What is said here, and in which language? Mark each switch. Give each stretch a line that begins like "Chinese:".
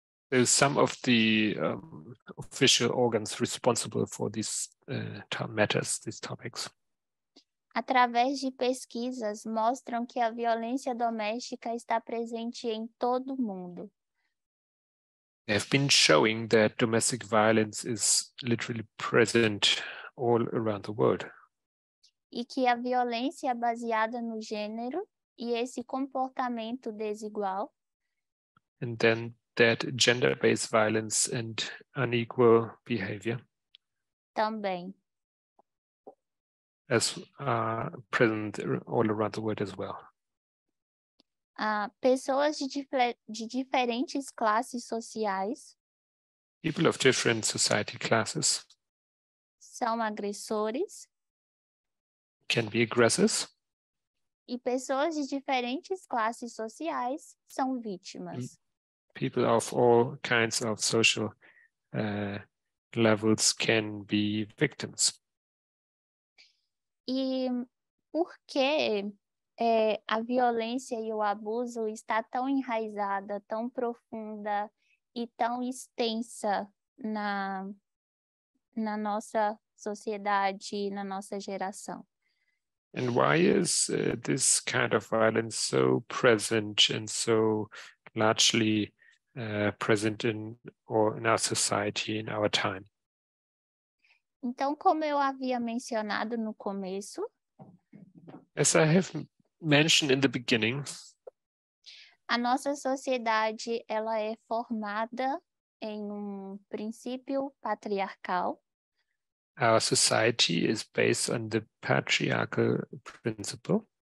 English: There's some of the official organs responsible for these matters, these topics.
Portuguese: Através de pesquisas, mostram que a violência doméstica está presente em todo o mundo.
English: They've been showing that domestic violence is literally present all around the world.
Portuguese: E que a violência baseada no gênero e esse comportamento desigual.
English: And then that gender-based violence and unequal behavior.
Portuguese: Também.
English: As present all around the world as well.
Portuguese: Pessoas de diferentes classes sociais.
English: People of different society classes.
Portuguese: São agressores.
English: Can be aggressors.
Portuguese: E pessoas de diferentes classes sociais são vítimas.
English: People of all kinds of social levels can be victims.
Portuguese: E por que a violência e o abuso está tão enraizada, tão profunda e tão extensa na nossa sociedade, na nossa geração?
English: And why is this kind of violence so present and so largely present in our society, in our time?
Portuguese: Então, como eu havia mencionado no começo,
English: as I have mentioned in the beginning,
Portuguese: a nossa sociedade ela é formada em um princípio patriarcal.
English: Our society is based on the patriarchal principle.